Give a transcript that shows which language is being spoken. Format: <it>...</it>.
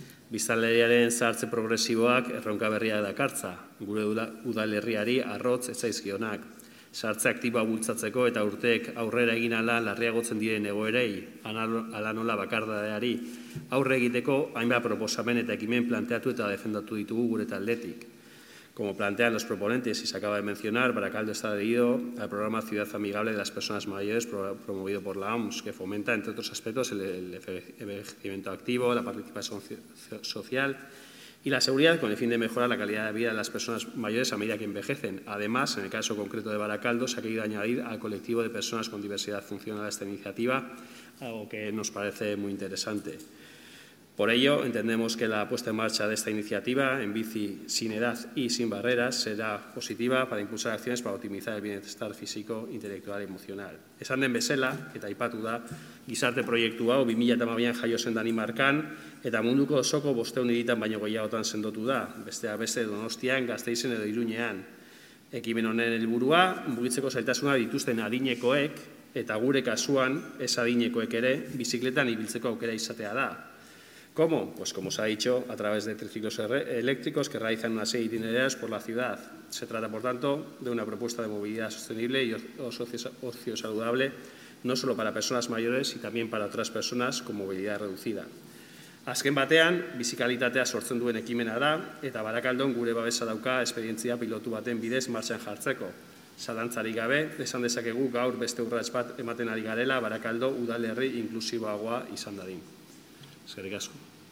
<eu>Biztanleriaren zahartze progresiboak erronka berria dakartza, gure udalerriari arrotz ez zaizkionak. Zahartze aktiboa bultzatzeko eta urteek aurrera egin ala larriagotzen diren egoerei, ala nola bakardadeari, aurre egiteko hainbat proposamen eta ekimen planteatu eta defendatu ditugu gure taldetik.</eu> <es>Como plantean los proponentes y se acaba de mencionar, Baracaldo está adherido al programa Ciudad Amigable de las Personas Mayores promovido por la OMS, que fomenta, entre otros aspectos, el envejecimiento activo, la participación social y la seguridad con el fin de mejorar la calidad de vida de las personas mayores a medida que envejecen. Además, en el caso concreto de Baracaldo, se ha querido añadir al colectivo de personas con diversidad funcional a esta iniciativa, algo que nos parece muy interesante. Por ello, entendemos que la puesta en marcha de esta iniciativa en bici sin edad y sin barreras será positiva para impulsar acciones para optimizar el bienestar físico, intelectual y emocional.</es> <eu>Esan den bezala, eta aipatu da, gizarte proiektu hau 2012an jaio zen Danimarkan, eta munduko osoko 500 baino gehiagotan sendotu da, bestea beste Donostian, Gasteizen edo Iruñean. Ekimen honen helburua, mugitzeko zailtasuna dituzten adinekoek, eta gure kasuan, ez adinekoek ere, bizikletan ibiltzeko aukera izatea da.</eu> <es>¿Cómo? Pues como se ha dicho, a través de triciclos eléctricos que realizan una serie de itinerarios por la ciudad. Se trata, por tanto, de una propuesta de movilidad sostenible y ocio saludable, no solo para personas mayores, sino también para otras personas con movilidad reducida.</es> <eu>Azken batean, bizikalitatea sortzen duen ekimena da, eta Barakaldon gure babesa dauka esperientzia pilotu baten bidez martxan jartzeko. Zalantzarik gabe, esan dezakegu gaur beste urrats bat ematen ari garela Barakaldo udalerri inklusiboagoa izan dadin. Eskerrik asko.</eu>